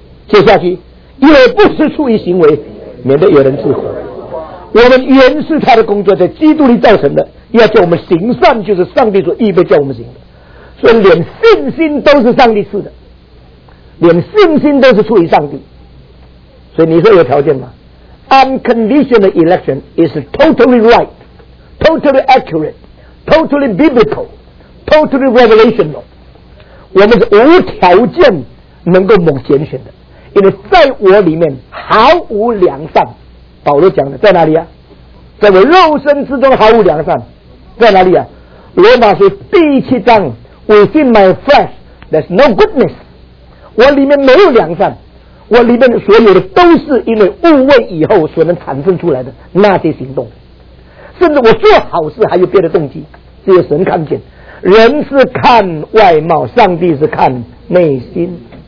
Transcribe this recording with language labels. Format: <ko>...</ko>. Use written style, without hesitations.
<zh>接下去，也不是出于行为，免得有人自夸。我们原是他的工作，在基督里造成的，要叫我们行善，就是上帝所预备叫我们行的。所以连信心都是上帝赐的，连信心都是出于上帝。所以你说有条件吗？</zh> <en>Unconditional election is totally right, totally accurate, totally biblical, totally revelational。</en> <zh>我们是无条件能够蒙拣选的，因为在我里面毫无良善。保罗讲的在哪里啊？在我肉身之中毫无良善，在哪里啊？罗马书第七章</zh> <en>Within my flesh there's no goodness。</en> <zh>我里面没有良善，我里面所有的都是因为误会以后所能产生出来的那些行动，甚至我做好事还有别的动机，只有神看见。人是看外貌，上帝是看内心。</zh>